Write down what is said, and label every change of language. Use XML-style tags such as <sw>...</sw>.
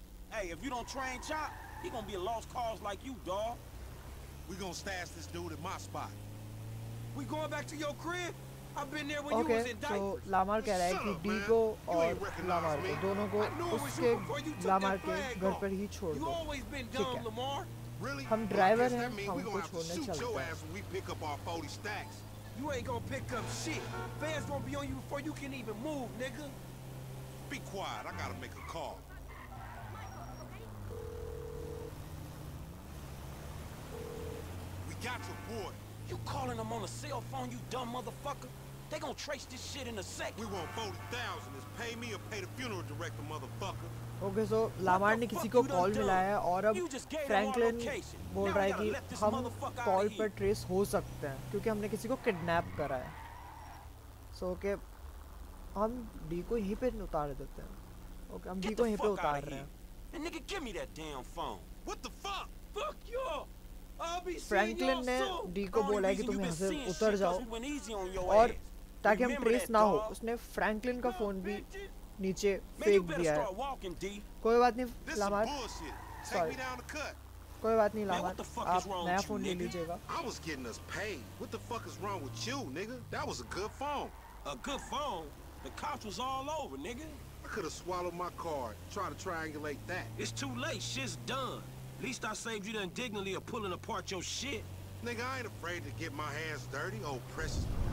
<en>Hey, if you don't train chop, he gonna be a lost cause like you, dog. We gonna stash this dude at my spot. We going back to your crib? I've been there when you was in diapers.</en> <hi>Okay, so Lamar कह रहा है कि Digo और Lamar को, दोनों को उसके Lamar के घर पर ही छोड़ दो। ठीक है, really? हम ड्राइवर हैं, हम कुछ होने चलते</hi> <en>हैं। You ain't gonna pick up shit. Fans gonna be on you before you can even move, nigga. Be quiet, I gotta make a call. Got your boy. You calling him on the cell phone, you dumb motherfucker? They gonna trace this shit in a sec. We want 40,000. Is pay me or pay the funeral director, motherfucker.</en> <hi>Okay, so Lamar ने किसी को call मिलाया है और अब Franklin बोल रहा है कि हम कॉल पर ट्रेस हो सकते हैं क्योंकि हमने किसी को किडनैप करा है। सो ओके, हम डी को यहीं पर उतार देते हैं। ओके, हम डी को यहीं पर उतार रहे हैं।</hi> <en>Nigga, give me that damn phone. What the fuck? Fuck you.</en> <hi>Franklin ने डी को बोला है कि तुम यहाँ से उतर जाओ और ताकि हम ट्रेस ना हो, उसने फ्रैंकलिन का फोन भी नीचे फेंक दिया है। कोई बात नहीं लामार, सॉरी, कोई बात नहीं लामार, आप नया फोन ले लीजिएगा।</hi> <en>I was getting us paid. What the fuck is wrong with you, nigga? That was a good phone. A good phone? The cops was all over, nigga. I could have swallowed my card trying to triangulate that. It's too late. Shit's done. At least I saved you the indignity of pulling apart your shit. Nigga, I ain't afraid to get my hands dirty, old precious.</en>